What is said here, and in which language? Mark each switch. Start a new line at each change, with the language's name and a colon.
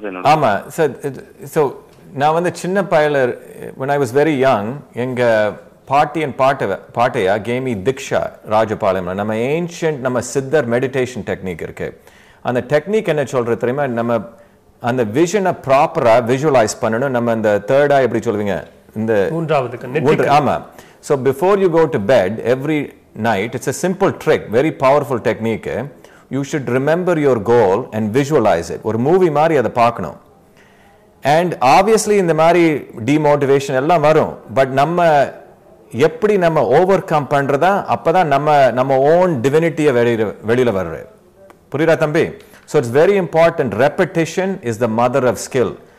Tamil: ஆமா sir, so நான் வந்து சின்ன பயலர்,
English: when I was very young,
Tamil: எங்க பாட்டி என் பாட்டையா கேமி திக்ஷா ராஜபாளையம்ல, நம்ம ஏன்ஷியன்ட் நம்ம சித்தர் மெடிடேஷன் டெக்னிக் இருக்கு. அந்த டெக்னிக் என்ன சொல்றது தெரியுமா, நம்ம அந்த விஷனை ப்ராப்பரா விஜுவலைஸ் பண்ணணும். நம்ம இந்த தேர்டா எப்படி சொல்வீங்க, இந்த மூன்றாவது, ஆமா.
English: So before you go to bed every night, it's a simple trick, very powerful technique. You should remember your goal and visualize it. Or
Tamil: movie mari ada paakanum. And obviously இந்த மாதிரி டிமோட்டிவேஷன் எல்லாம் வரும், but நம்ம எப்படி நம்ம over come பண்ணுறதா, அப்போ தான் நம்ம நம்ம ஓன் டிவினிட்டியை வெளியில் வர்ற. புரியுறா தம்பி?
English: So it's very important. Repetition is the mother of skill.